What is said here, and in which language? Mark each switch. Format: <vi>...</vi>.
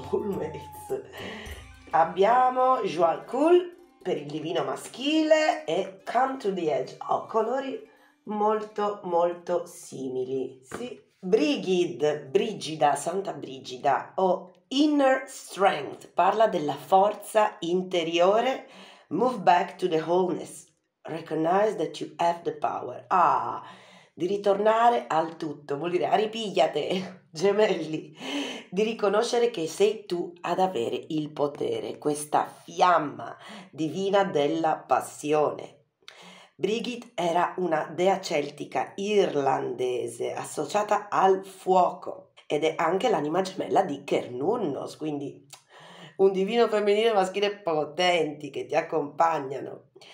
<it>Soulmates. Abbiamo Joie Cool per il divino maschile e Come to the Edge. Ho colori molto molto simili. Sì, Brigida, Santa Brigida o Inner Strength, parla della forza interiore.</it> <en>Move back to the wholeness. Recognize that you have the power.</en> <it>Ah, di ritornare al tutto, vuol dire ripigliate, gemelli. Di riconoscere che sei tu ad avere il potere, questa fiamma divina della passione. Brigid era una dea celtica irlandese associata al fuoco ed è anche l'anima gemella di Kernunnos, quindi un divino femminile e maschile potenti che ti accompagnano.</it>